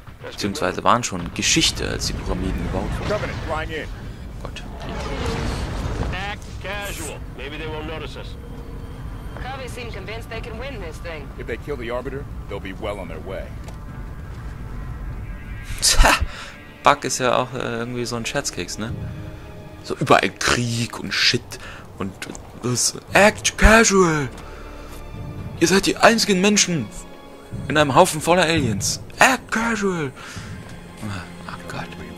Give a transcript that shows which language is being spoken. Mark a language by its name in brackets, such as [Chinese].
[German] Beziehungsweise waren schon Geschichte, als die Pyramiden gebaut wurden. Gott. [English] Act casual. Maybe they won't notice us. Covey seemed convinced they can win this thing. If they kill the Arbiter, they'll be well on their way. [German] Tja, Buck ist ja auch irgendwie so ein Scherzkeks, ne? So überall Krieg und Shit und das. [English] Act casual. [German] Ihr seid die einzigen Menschen in einem Haufen voller Aliens. [English] Act casual. [German] Oh Gott.